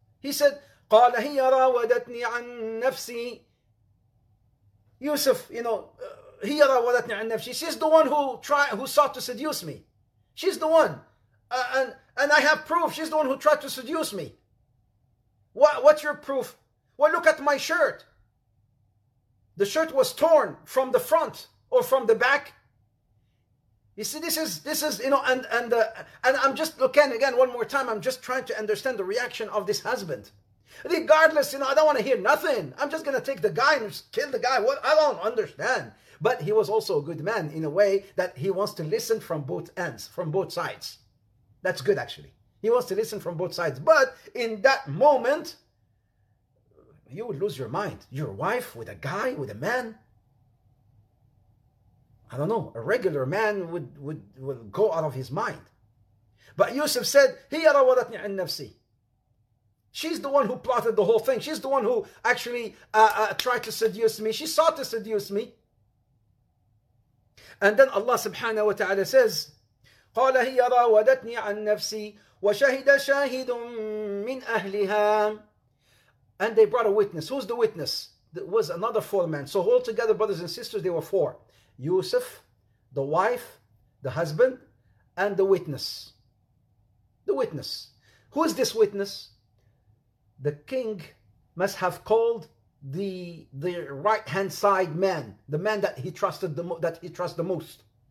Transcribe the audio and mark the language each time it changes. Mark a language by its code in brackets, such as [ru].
[en] He said, [ar] قَالَ هِيَ رَاوَدَتْنِي عَن نَفْسِي. Yusuf, [en] you know, [ar] هِيَ رَاوَدَتْنِي عَن نَفْسِي. [en] She's the one who sought to seduce me. She's the one. And I have proof. She's the one who tried to seduce me. What's your proof? Well, look at my shirt. The shirt was torn from the front or from the back. You see, this is you know, and I'm just looking again one more time. I'm just trying to understand the reaction of this husband. Regardless, you know, I don't want to hear nothing. I'm just going to take the guy and just kill the guy. What? I don't understand. But he was also a good man in a way that he wants to listen from both ends, from both sides. That's good, actually. He wants to listen from both sides. But in that moment, you would lose your mind. Your wife with a guy, with a man. I don't know. A regular man would go out of his mind. But Yusuf said, [ar] هِيَ رَوَدَتْنِ عَنْ نَفْسِي. [en] She's the one who plotted the whole thing. She's the one who actually tried to seduce me. She sought to seduce me. And then Allah subhanahu wa ta'ala says, [ar] قَالَ هِيَ رَوَدَتْنِي عَنْ نَفْسِي وَشَهِدَ شَاهِدٌ مِّنْ أَهْلِهَا. [en] And they brought a witness. Who's the witness? It was another four men. So all together, brothers and sisters, they were four. Yusuf, the wife, the husband, and the witness. The witness. Who is this witness? The king must have called the right hand side man, the man that he trusted the most.